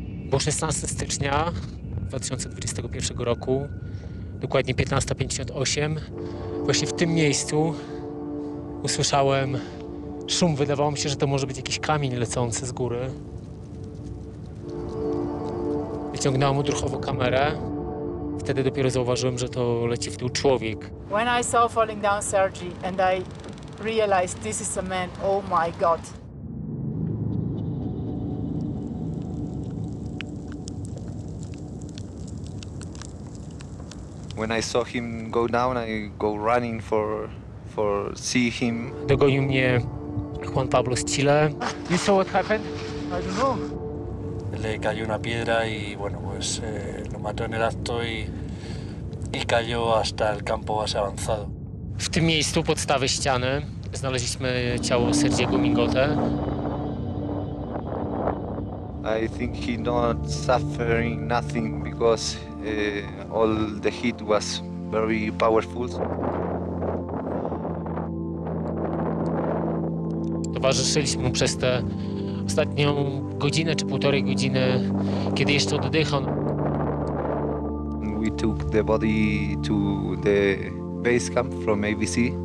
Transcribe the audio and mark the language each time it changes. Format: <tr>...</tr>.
<pl>Bo 16 stycznia 2021 roku, dokładnie 15:58, właśnie w tym miejscu usłyszałem szum. Wydawało mi się, że to może być jakiś kamień lecący z góry. Wyciągnąłem odruchowo kamerę. Wtedy dopiero zauważyłem, że to leci w dół człowiek.</pl> <en>When I saw falling down Sergi and I realized this is a man, oh my God. When I saw him go down, I go running for see him.</en> <pl>Dogonił mnie Juan Pablo z Chile.</pl> <en>You saw what happened? I don't know.</en> <es>Le cayó una piedra y bueno, pues lo mató en el acto y cayó hasta el campo base avanzado.</es> <pl>W tym miejscu podstawy ściany znaleźliśmy ciało Sergiego Mingote.</pl> <en>I think he not suffering nothing because all the heat was very powerful.</en> <pl>Towarzyszyliśmy mu przez tę ostatnią godzinę czy półtorej godziny, kiedy jeszcze oddychał.</pl> <en>We took the body to the base camp from ABC.</en>